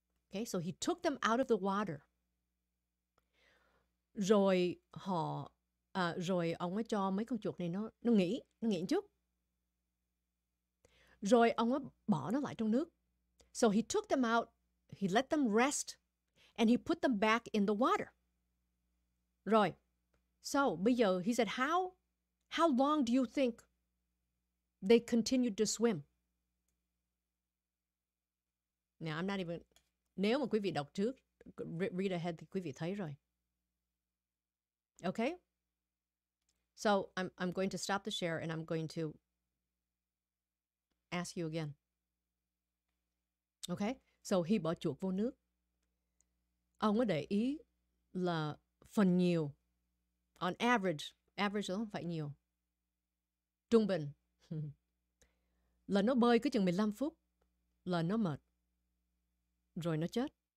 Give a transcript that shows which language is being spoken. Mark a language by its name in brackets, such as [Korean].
[English] Okay, so he took them out of the water. [Vietnamese] Rồi họ, rồi ông ấy cho mấy con chuột này nó nghỉ chút. Rồi ông ấy bỏ nó lại trong nước. [English] So he took them out, he let them rest, and he put them back in the water. Rồi, so [Vietnamese] bây giờ [English] he said how long do you think they continued to swim? Now I'm not even, [Vietnamese] nếu mà quý vị đọc trước, [English] read ahead [Vietnamese] thì quý vị thấy rồi. [English] Okay, so I'm going to stop the share and I'm going to ask you again. Okay, so he [Vietnamese] bỏ chuột vô nước. Ông có để ý là phần nhiều, [English] on average [Vietnamese] là không phải nhiều, trung bình, là nó bơi cứ chừng 15 phút, là nó mệt, rồi nó chết.